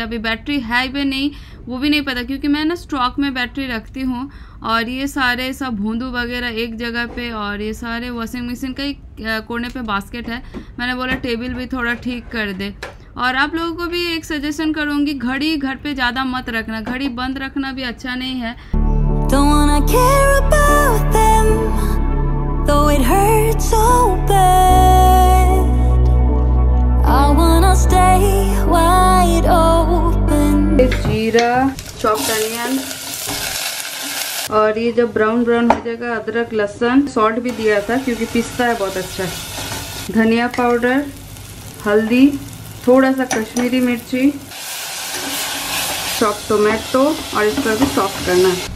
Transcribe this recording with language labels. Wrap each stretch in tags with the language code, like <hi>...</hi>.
<hi>अभी बैटरी है भी नहीं वो भी नहीं पता क्योंकि मैं ना स्टॉक में बैटरी रखती हूँ। और ये सारे सब भूंदू वगैरह एक जगह पे, और ये सारे वॉशिंग मशीन का ही कोने पे बास्केट है। मैंने बोला टेबल भी थोड़ा ठीक कर दे। और आप लोगों को भी एक सजेशन करूंगी, घड़ी घर पे ज्यादा मत रखना, घड़ी बंद रखना भी अच्छा नहीं है।</hi> <en>Don't wanna care about them, though it hurts so bad. I wanna stay wide open.</en> <hi>जीरा, चॉप्ड अनियन, और ये जब ब्राउन ब्राउन हो जाएगा अदरक लहसुन, सॉल्ट भी दिया था क्योंकि पिसता है बहुत अच्छा, धनिया पाउडर, हल्दी, थोड़ा सा कश्मीरी मिर्ची, चॉप टोमेटो, और इसका भी सॉफ्ट करना है।</hi>